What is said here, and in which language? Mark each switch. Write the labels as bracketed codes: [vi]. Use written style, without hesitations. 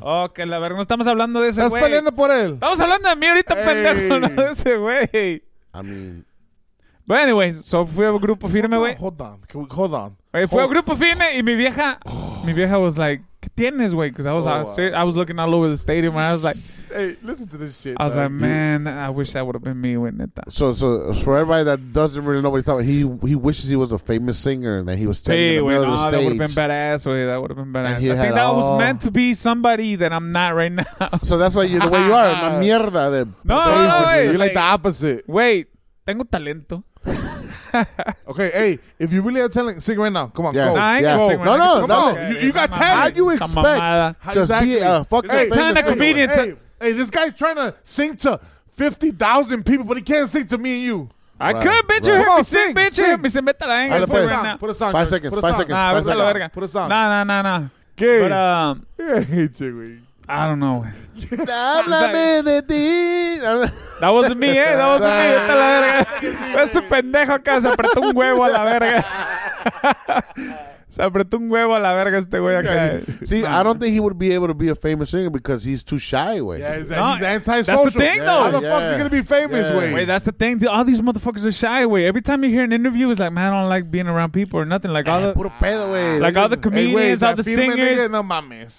[es] Oh, que la verga, no estamos hablando de ese güey. Estás peleando por él. Estamos hablando de mí ahorita, pendejo, no de ese güey. [en] I mean. But anyways, so [es] fui a Grupo Firme, güey. [en] Hold on. [es] Wey, fui a Grupo Firme y mi vieja [en] was like, [es] ¿qué tienes, güey? [en] Because I was looking all over the stadium and I was like, hey, listen to this shit. I was like, man, I wish that would have been me, wouldn't it? So for everybody that doesn't really know what he's talking about, he wishes he was a famous singer and that he was standing in the middle of the stage. That would have been badass, way. That would have been badass. I think that was meant to be somebody that I'm not right now. So that's why you're the way you are. [es] La mierda de no, [en] you're like the opposite. Wait, [es] tengo talento. [en] Okay, hey, if you really are telling, sing right now. Come on, go. Nah, I ain't go. Right no, no, no. Okay. You got talent. How do you expect to be a fucking famous singer? Comedian. Hey, this guy's trying to sing to 50,000 people, but he can't sing to me and you. I right, could, bitch. Right. You heard me sing, bitch. You heard me sing. Bet that I ain't gonna sing right now. Put a song. 5 seconds. Put 5 seconds. Nah, five seconds. Put a song. Nah. Okay. But, Yeah, I hate you, I don't know. [es] Háblame de ti. [en] That wasn't me, eh? That wasn't me. [es] Esta la verga. Este pendejo acá se apretó un huevo a la verga. Se apretó un huevo a la verga este güey acá. [en] See, I don't think he would be able to be a famous singer because he's too shy, güey. Yeah, he's anti-social. That's the thing, though. How the fuck is he going to be famous, güey? Wait, that's the thing. All these motherfuckers are shy, güey. Every time you hear an interview, it's like, man, I don't like being around people or nothing. Like, all the, [es] puro pedo, güey. [en] Like, all the comedians, hey, wey, all the singers. [es] No mames.